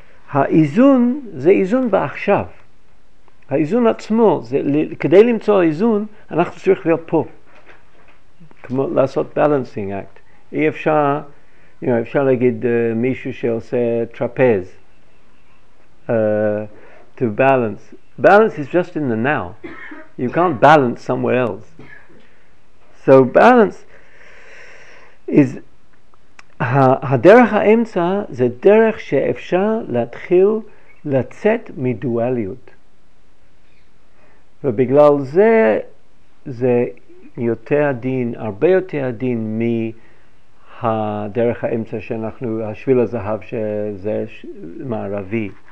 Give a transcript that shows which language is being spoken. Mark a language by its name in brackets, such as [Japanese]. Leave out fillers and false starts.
[Hebrew] האיזון זה איזון בעכשיו. האיזון עצמו, זה, כדי למצוא האיזון, אנחנו צריכים להיות פה. כמו לעשות balancing act. אי אפשר, [English] you know, [Hebrew] אפשר להגיד מישהו שעושה טרפז. [English] To balance. Balance is just in the now. You can't balance somewhere else. So balance is... [Hebrew] הדרך האמצע זה דרך שאפשר להתחיל לצאת מדואליות. ובגלל זה, זה יותר עדין, הרבה יותר עדין מהדרך האמצע שאנחנו, השביל הזהב שזה מערבי.